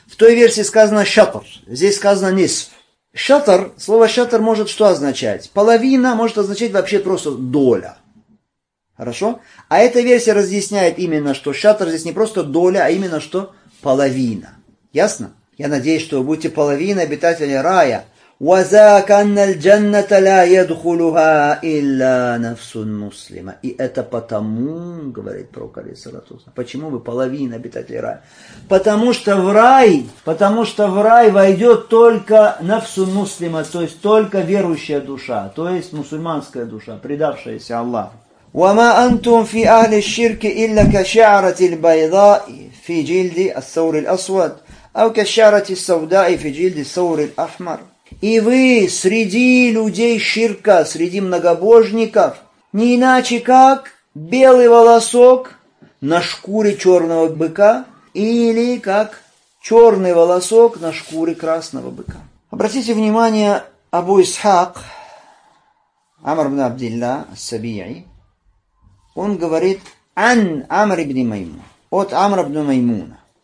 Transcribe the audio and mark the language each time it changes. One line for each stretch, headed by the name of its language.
Russian: В той версии сказано шатр, здесь сказано нисф. Шатр, слово шатр может что означать? Половина может означать вообще просто доля. Хорошо? А эта версия разъясняет именно, что шатр здесь не просто доля, а именно что? Половина. Ясно? Я надеюсь, что вы будете половиной обитателей рая.
Arabic: وذاك أن الجنة لا يدخلها إلا نفس مسلمة.
Russian: И это потому, говорит пророк, алейхиссалям, почему бы половина обитателей рая? Потому что в рай войдет только нафс муслима, то есть только верующая душа, то есть мусульманская душа, предавшаяся Аллаху.
Arabic: وما أنتم في أهل الشرك إلا كشعرة البيضاء في جلد الثور الأسود أو كشعرة السوداء في جلد الثور الأحمر.
Russian: И вы среди людей ширка, среди многобожников, не иначе как белый волосок на шкуре черного быка или как черный волосок на шкуре красного быка. Обратите внимание, Абу Исхак, Амр ибн Абдилла, Сабии, он говорит «Ан Амр ибн Маймун», от Амр ибн Маймуна.